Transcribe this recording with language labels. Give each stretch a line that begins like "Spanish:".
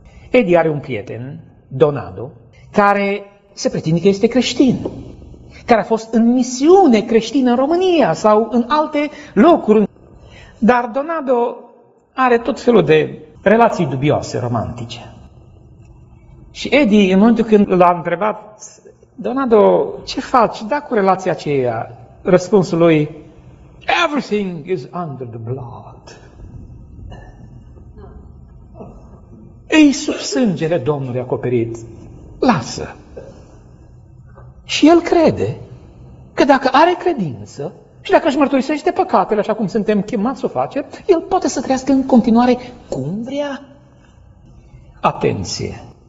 Romanian: Eddie are un prieten, Donado, care se pretinde că este creștin, care a fost în misiune creștină în România sau în alte locuri. Dar Donado are tot felul de relații dubioase, romantice. Și Eddie, în momentul când l-a întrebat, Donado, ce faci, da, cu relația aceea? Răspunsul lui,
English: everything is under the blood.
Romanian: Ei, sub sângele Domnului acoperit, lasă. Și el crede că dacă are credință și dacă își mărturisește păcatele, așa cum suntem chemați să o face, el poate să trăiască în continuare cum vrea. Atenție!